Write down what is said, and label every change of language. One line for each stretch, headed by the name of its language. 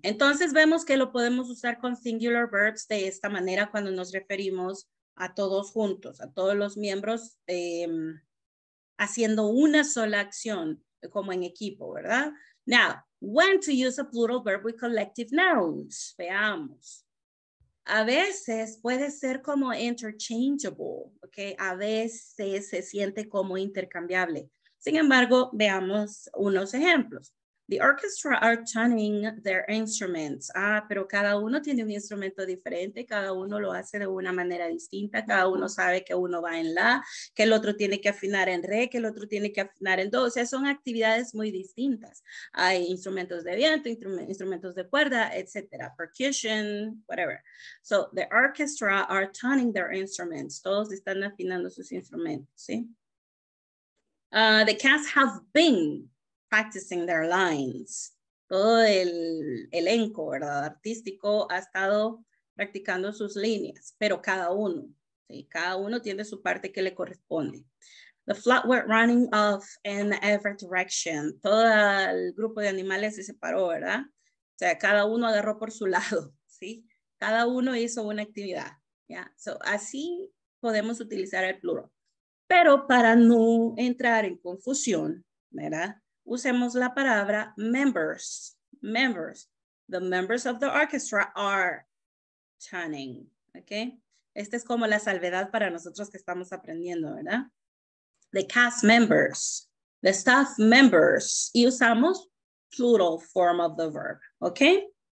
Spanish: Entonces vemos que lo podemos usar con singular verbs de esta manera cuando nos referimos a todos juntos, a todos los miembros haciendo una sola acción como en equipo, ¿verdad?
English: Now, when to use a plural verb with collective nouns.
Spanish: Veamos. A veces puede ser como interchangeable, okay? A veces se siente como intercambiable. Sin embargo, veamos unos ejemplos.
English: The orchestra are tuning their instruments.
Spanish: Ah, pero cada uno tiene un instrumento diferente, cada uno lo hace de una manera distinta, cada uno sabe que uno va en la, que el otro tiene que afinar en re, que el otro tiene que afinar en do. O sea, son actividades muy distintas. Hay instrumentos de viento, instrumentos de cuerda, etcétera, percussion, whatever.
English: So, the orchestra are tuning their instruments.
Spanish: Todos están afinando sus instrumentos, ¿sí?
English: The cast have been practicing their lines.
Spanish: Todo el elenco, ¿verdad? Artístico ha estado practicando sus líneas, pero cada uno, ¿sí? Cada uno tiene su parte que le corresponde.
English: The flock were running off in every direction.
Spanish: Todo el grupo de animales se separó, ¿verdad? O sea, cada uno agarró por su lado, ¿sí? Cada uno hizo una actividad, ¿ya? So, así podemos utilizar el plural. Pero para no entrar en confusión, ¿verdad? Usemos la palabra members, members.
English: The members of the orchestra are tuning, okay?
Spanish: Esta es como la salvedad para nosotros que estamos aprendiendo, ¿verdad?
English: The cast members, the staff members.
Spanish: Y usamos
English: plural form of the verb, okay?